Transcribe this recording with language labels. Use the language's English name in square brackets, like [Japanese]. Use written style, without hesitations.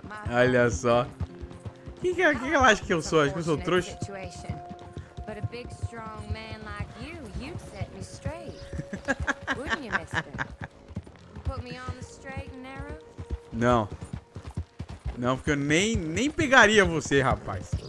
[Portuguese] Olha só. Que ela acha que eu sou? Acho que eu sou trouxa. [English] But a big strong man like you, you'd set me straight. Wouldn't you, mister? Put me on the straight and narrow? [Portuguese] Não. Não, porque eu nem pegaria você, rapaz.